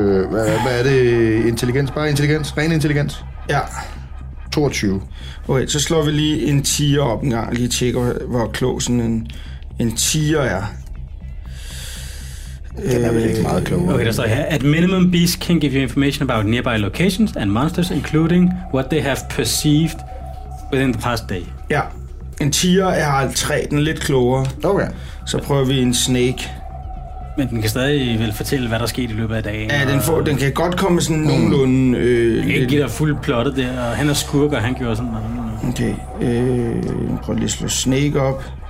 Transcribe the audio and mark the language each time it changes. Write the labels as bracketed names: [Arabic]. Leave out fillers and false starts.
[Danish] hvad er det? Intelligens? Bare intelligens? Ren intelligens? Ja. 22. Okay, så slår vi lige en tiger op en gang, lige tjekker, hvor klog sådan en tiger er. Den er vel ikke meget klog. Okay, der står her. [English] At minimum, beasts can give you information about nearby locations and monsters, including what they have perceived within the past day. [Danish] Ja, en tiger er altså den lidt klogere. Okay. Så prøver vi en snake. Men den kan stadig vel fortælle, hvad der er sket i løbet af dagen. Ja, den kan godt komme sådan nogenlunde... Den kan ikke give dig fuld plottet der. Han er skurk, og han gjorde sådan noget. Okay. Prøv lige at slå Snake op.